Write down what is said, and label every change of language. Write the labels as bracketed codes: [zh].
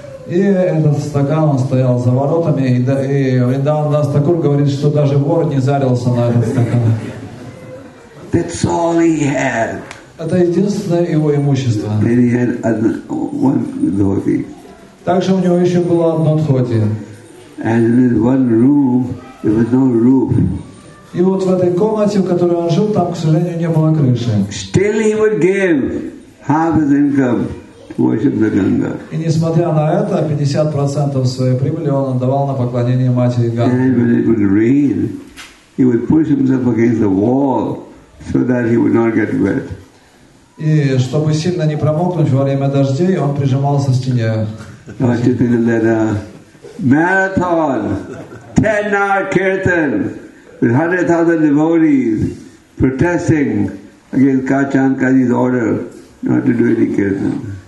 [ru] И этот стакан стоял за воротами, и Вриндаванас Такур говорит, что даже вор не зарился на этот стакан. [en] That's all he had. [ru] Это единственное его имущество. [en] And he had one dhoti. [ru] Также у него еще было одно дхоти. [en] And in this one room, there was no roof. [ru] И вот в этой комнате, в которой он жил, там, к сожалению, не было крыши. [en] Still he would give half his income to worship the Ganga. [ru] И несмотря на это, 50% своей прибыли он отдавал на поклонение матери Ганге. [en] And when it would rain, he would push himself against the wall so that he would not get wet. [ru] И чтобы сильно не промокнуть во время дождей, он прижимался к стене. [en] Lord Chaitanya led a marathon, 10-hour kirtan. With 100,000 devotees protesting Again, Kachankari's order not to do any kirtan.